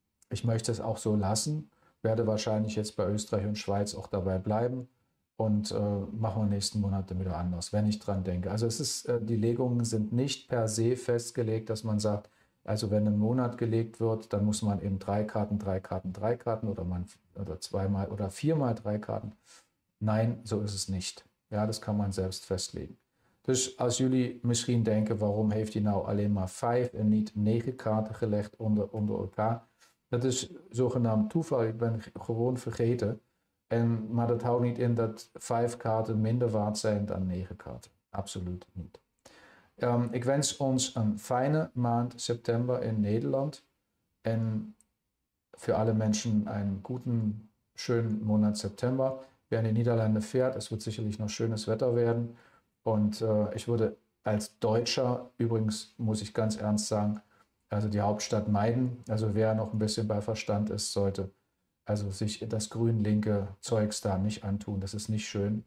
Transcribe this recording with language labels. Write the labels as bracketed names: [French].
[German] Ich möchte es auch so lassen, werde wahrscheinlich jetzt bei Österreich und Schweiz auch dabei bleiben und machen wir nächsten Monat dann wieder anders, wenn ich dran denke. Also es ist, die Legungen sind nicht per se festgelegt, dass man sagt, also wenn ein Monat gelegt wird, dann muss man eben drei Karten oder zweimal oder viermal drei Karten. Nein, so ist es nicht. Ja, das kann man selbst festlegen. [Dutch] Dus als jullie misschien denken, warum heeft hij nou alleen maar vijf en niet negen kaarten gelegd onder elkaar? Dat is zogenaamd toeval, ik ben gewoon vergeten. Maar dat houdt niet in dat vijf kaarten minder waard zijn dan negen kaarten. Absoluut niet. Ik wens ons een fijne maand september in Nederland. En voor alle mensen een [German] guten, schönen Monat September. Wer in die Niederlande fährt, es wird sicherlich noch schönes Wetter werden. Und ich würde als Deutscher, übrigens muss ich ganz ernst sagen, also die Hauptstadt meiden. Also wer noch ein bisschen bei Verstand ist, sollte also sich das grün-linke Zeugs da nicht antun. Das ist nicht schön.